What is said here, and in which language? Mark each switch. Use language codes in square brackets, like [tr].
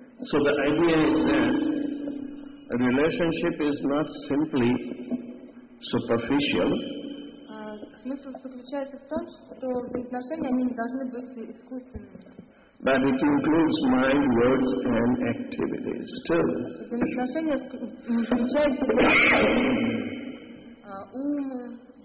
[en] So the idea is that a relationship is not simply superficial. [ru] Смысл заключается в том, что отношения они не должны быть искусственными. [en] But it includes mind, words, and activities too. [ru] Отношения включают в себя ум,